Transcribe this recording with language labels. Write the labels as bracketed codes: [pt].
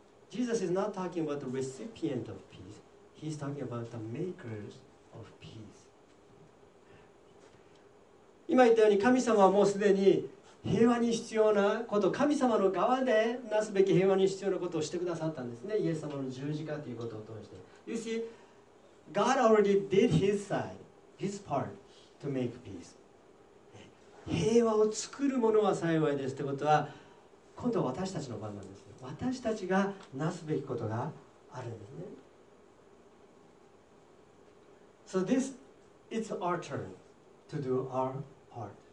[en] Jesus is not talking about the recipient of peace, he's talking about the makers of peace. [ja] 今言ったように神様はもうすでに平和に必要なこと、神様の側でなすべき平和に必要なことをしてくださったんですね。イエス様の十字架ということを通して。 [en] You see, God already did his side, his part. to make peace. [ja] 平和を作るものは幸いですということは、今度は私たちの番なんです。私たちがなすべきことがあるんですね。 [en] So this, it's our turn to do our part.